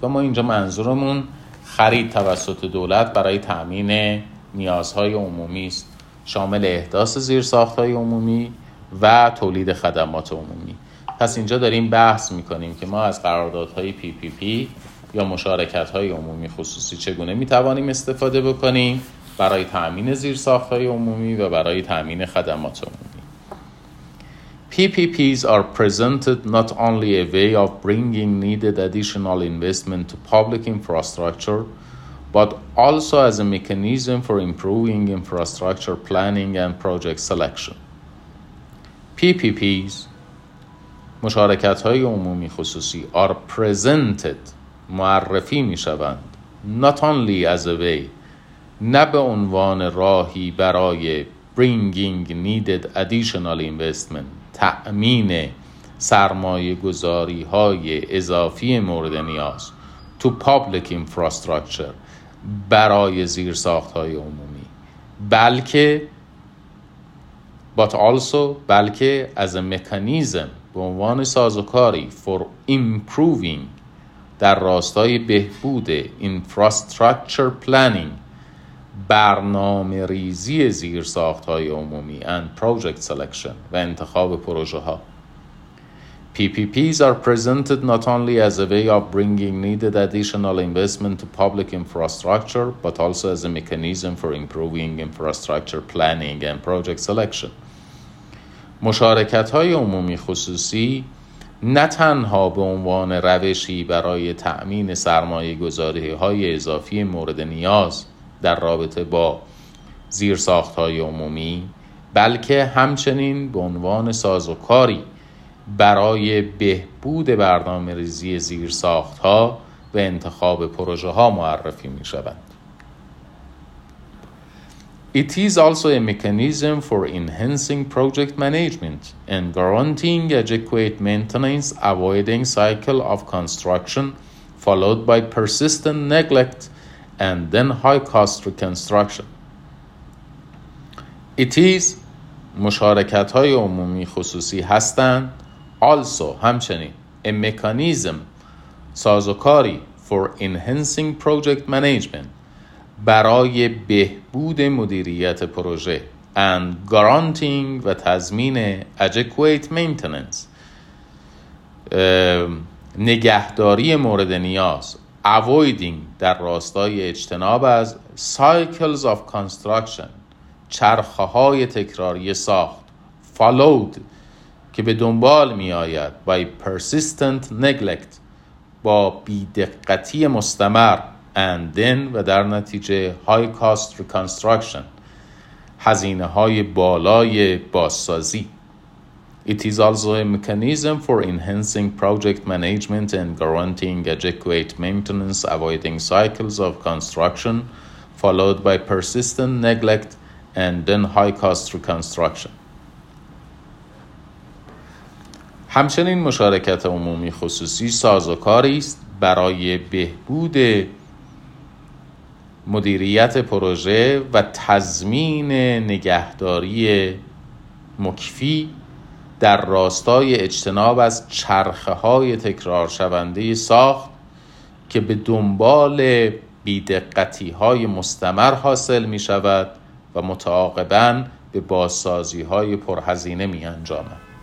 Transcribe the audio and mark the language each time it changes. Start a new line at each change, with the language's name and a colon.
Persian: و ما اینجا منظورمون خرید توسط دولت برای تأمین نیازهای عمومی است، شامل احداث زیرساختهای عمومی و تولید خدمات عمومی. پس اینجا داریم بحث میکنیم که ما از قراردادهای PPP یا مشارکت‌های عمومی خصوصی چگونه میتوانیم استفاده بکنیم برای تأمین زیرساخت‌های عمومی و برای تأمین خدمات عمومی.
English: PPPs are presented not only a way of bringing needed additional investment to public infrastructure but also as a mechanism for improving infrastructure planning and project selection.
Persian: PPPs مشارکت های عمومی خصوصی
English: are presented
Persian: معرفی می شوند
English: not only as a way،
Persian: نه به عنوان راهی برای
English: bringing needed additional investment،
Persian: تأمین سرمایه گذاری های اضافی مورد نیاز
English: to public infrastructure
Persian: برای زیر ساخت های عمومی، بلکه
English: but also
Persian: بلکه
English: as a mechanism
Persian: به عنوان سازوکاری
English: for improving
Persian: در راستای بهبود
English: infrastructure planning
Persian: برنامه ریزی زیر ساخت های عمومی
English: and project selection
Persian: و انتخاب پروژه ها.
English: PPPs are presented not only as a way of bringing needed additional investment to public infrastructure, but also as a mechanism for improving infrastructure planning and project selection.
Persian: مشارکت های عمومی خصوصی نه تنها به عنوان روشی برای تأمین سرمایه گذاری های اضافی مورد نیاز در رابطه با زیرساخت های عمومی، بلکه همچنین به عنوان سازوکاری برای بهبود برنامه ریزی زیرساخت ها و انتخاب پروژه ها معرفی می شوند.
English: It is also a mechanism for enhancing project management and guaranteeing adequate maintenance, avoiding cycle of construction followed by persistent neglect and then high cost reconstruction. It is
Persian: مشارکت های عمومی خصوصی هستند
English: also
Persian: همچنین
English: a mechanism
Persian: سازوکاری
English: for enhancing project management
Persian: برای بهبود مدیریت پروژه
English: and guaranteeing
Persian: و تضمین
English: adequate maintenance
Persian: نگهداری مورد نیاز
English: avoiding
Persian: در راستای اجتناب از
English: cycles of construction
Persian: چرخه های تکراری ساخت
English: followed
Persian: که به دنبال می آید
English: by persistent neglect
Persian: با بی‌دقتی مستمر
English: and then
Persian: و در نتیجه
English: high cost reconstruction
Persian: هزینه های بالای بازسازی.
English: It is also a mechanism for enhancing project management and guaranteeing adequate maintenance, avoiding cycles of construction followed by persistent neglect and then high cost reconstruction.
Persian: همچنین مشارکت عمومی خصوصی سازوکاری است برای بهبود مدیریت پروژه و تضمین نگهداری مکفی در راستای اجتناب از چرخه های تکرار شونده ساخت که به دنبال بی‌دقتی های مستمر حاصل می شود و متعاقباً به بازسازی های پرهزینه می انجامد.